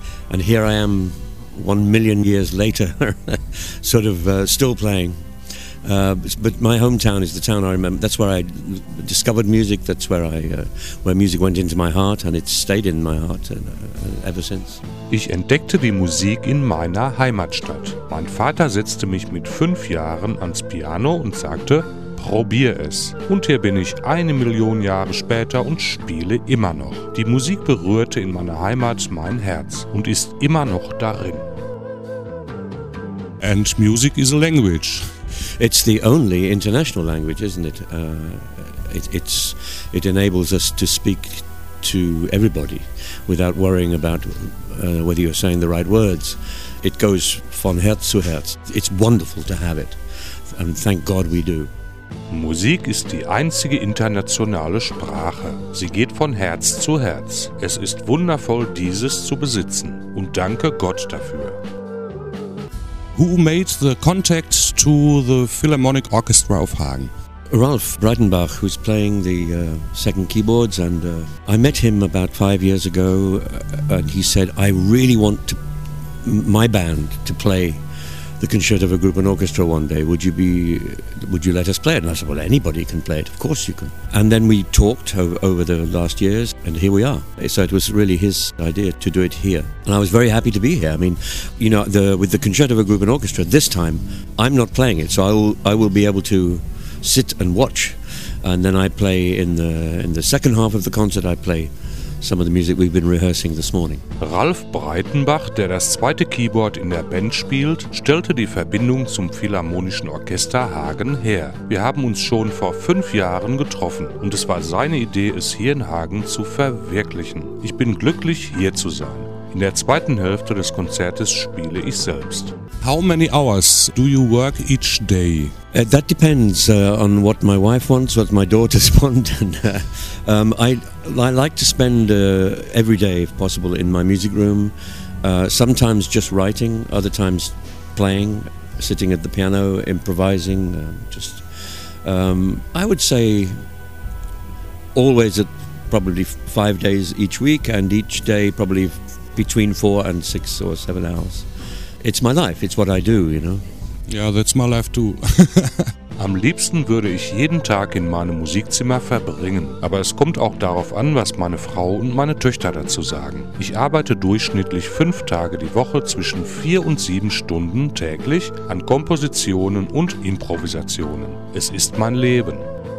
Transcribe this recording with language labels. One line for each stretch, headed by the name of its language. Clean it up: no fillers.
English: And here I am 1 million years later, sort of still playing. But my hometown is the town I remember. That's where I discovered music. That's where where music went into my heart, and it's stayed in my heart ever since.
German: Ich entdeckte die Musik in meiner Heimatstadt. Mein Vater setzte mich mit 5 Jahren ans Piano und sagte, probier es. Und hier bin ich 1 Million Jahre später und spiele immer noch. Die Musik berührte in meiner Heimat mein Herz und ist immer noch darin.
English: And music is a language. It's the only international language, isn't it? It enables us to speak to everybody without worrying about whether you're saying the right words. It goes
German: von Herz zu Herz.
English: It's wonderful to have it, and thank God we do.
German: Musik ist die einzige internationale Sprache. Sie geht von Herz zu Herz. Es ist wundervoll, dieses zu besitzen, und danke Gott dafür.
English: Who made the contact to the Philharmonic Orchestra of Hagen? Ralph Breitenbach, who's playing the second keyboards, and I met him about 5 years ago, and he said, I really want my band to play the concerto of a group and orchestra one day. Would you let us play it? And I said, well, anybody can play it. Of course you can. And then we talked over the last years, and here we are. So it was really his idea to do it here. And I was very happy to be here. I mean, you know, with the concerto of a group and orchestra, this time I'm not playing it. So I will be able to sit and watch. And then I play in the second half of the concert, I play some of the music we've been rehearsing this morning.
German: Ralf Breitenbach, der das zweite Keyboard in der Band spielt, stellte die Verbindung zum Philharmonischen Orchester Hagen her. Wir haben uns schon vor 5 Jahren getroffen und es war seine Idee, es hier in Hagen zu verwirklichen. Ich bin glücklich, hier zu sein. In der zweiten Hälfte des Konzertes spiele ich selbst.
English: How many hours do you work each day? That depends on what my wife wants, what my daughters want. I like to spend every day, if possible, in my music room. Sometimes just writing, other times playing, sitting at the piano, improvising. I would say always at probably 5 days each week, and each day probably between 4 and 6 or 7 hours. It's my life, it's what I do, you know. Yeah, that's my life too.
German: Am liebsten würde ich jeden Tag in meinem Musikzimmer verbringen. Aber es kommt auch darauf an, was meine Frau und meine Töchter dazu sagen. Ich arbeite durchschnittlich 5 Tage die Woche zwischen 4 und 7 Stunden täglich an Kompositionen und Improvisationen. Es ist mein Leben.